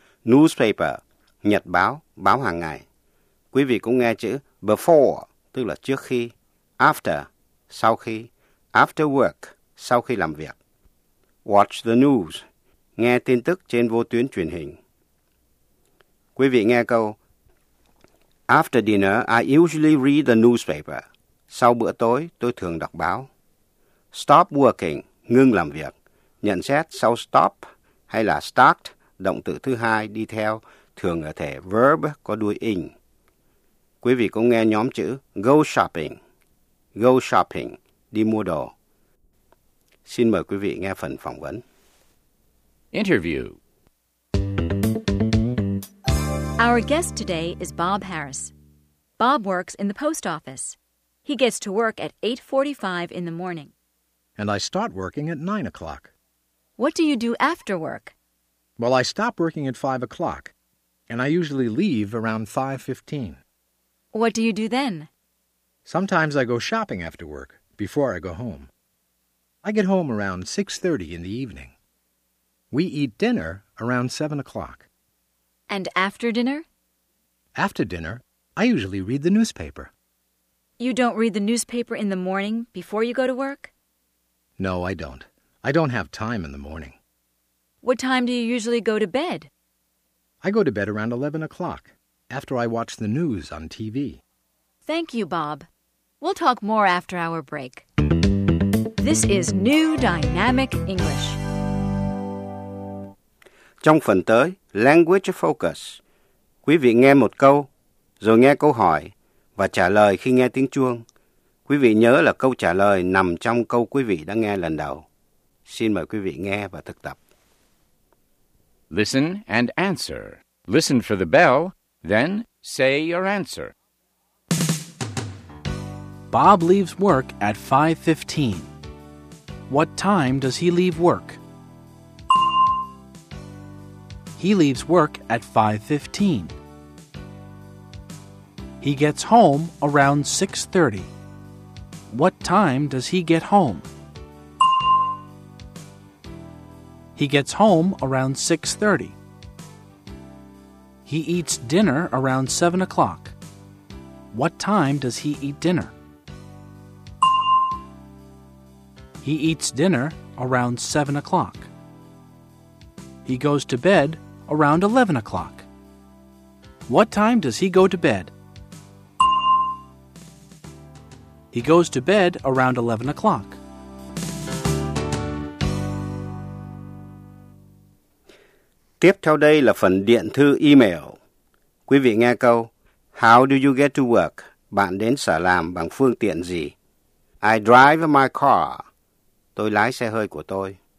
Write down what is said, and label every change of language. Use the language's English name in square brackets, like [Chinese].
[Vietnamese] Newspaper, nhật báo, báo hàng ngày. Quý vị cũng nghe chữ before, tức là trước khi, after, sau khi, after work, sau khi làm việc. [English] Watch the news, [Vietnamese] nghe tin tức trên vô tuyến truyền hình. Quý vị nghe câu, [English] after dinner, I usually read the newspaper. [Vietnamese] Sau bữa tối, tôi thường đọc báo. [English] Stop working, [Vietnamese] ngưng làm việc. Nhận xét sau stop hay là start, động từ thứ hai đi theo, thường ở thể verb có đuôi ing. Quý vị cũng nghe nhóm chữ [English] go shopping. Go shopping, [Vietnamese] đi mua đồ. Xin mời quý vị nghe phần phỏng vấn. [English] Interview. Our guest today is Bob Harris. Bob works in the post office. He gets to work at 8:45 in the morning. And I start working at 9 o'clock. What do you do after work? Well, I stop working at 5 o'clock, and I usually leave around 5:15. What do you do then? Sometimes I go shopping after work, before I go home. I get home around 6:30 in the evening. We eat dinner around 7 o'clock. And after dinner? After dinner, I usually read the newspaper. You don't read the newspaper in the morning before you go to work? No, I don't. I don't have time in the morning. What time do you usually go to bed? I go to bed around 11 o'clock, after I watch the news on TV. Thank you, Bob. We'll talk more after our break. This is New Dynamic English. [Vietnamese] Trong phần tới, Language Focus, quý vị nghe một câu, rồi nghe câu hỏi và trả lời khi nghe tiếng chuông. Quý vị nhớ là câu trả lời nằm trong câu quý vị đã nghe lần đầu. Xin mời quý vị nghe và thực tập. [English] Listen and answer. Listen for the bell, then say your answer. Bob leaves work at 5:15. What time does he leave work? He leaves work at 5:15. He gets home around 6:30. What time does he get home? He gets home around 6:30. He eats dinner around 7 o'clock. What time does he eat dinner? He eats dinner around 7 o'clock. He goes to bed around 11 o'clock. What time does he go to bed? He goes to bed around 11 o'clock. [Vietnamese] Tiếp theo đây là phần điện thư email. Quý vị nghe câu, [English] how do you get to work? [Vietnamese] Bạn đến sở làm bằng phương tiện gì? [English] I drive my car. [Vietnamese] Tôi lái xe hơi của tôi.